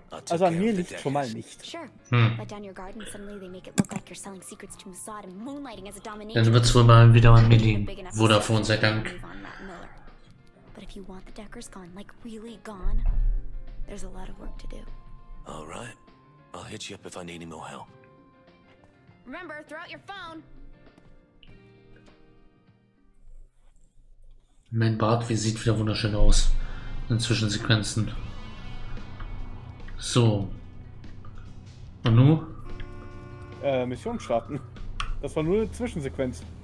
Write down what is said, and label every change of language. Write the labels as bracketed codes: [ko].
[de] Also an mir liegt schon mal nicht. Dann wird es wohl mal wieder an mir liegen. Vodafone sei Dank. [en] But if you want the Deckers gone, like really gone, there's a lot of work to do. All right. I'll hit you up if I need any more help. Remember, throw out your phone. [de] Mein Bart, wie sieht wieder wunderschön aus. In Zwischensequenzen. So. Und nun? Mission starten. Das war nur eine Zwischensequenz.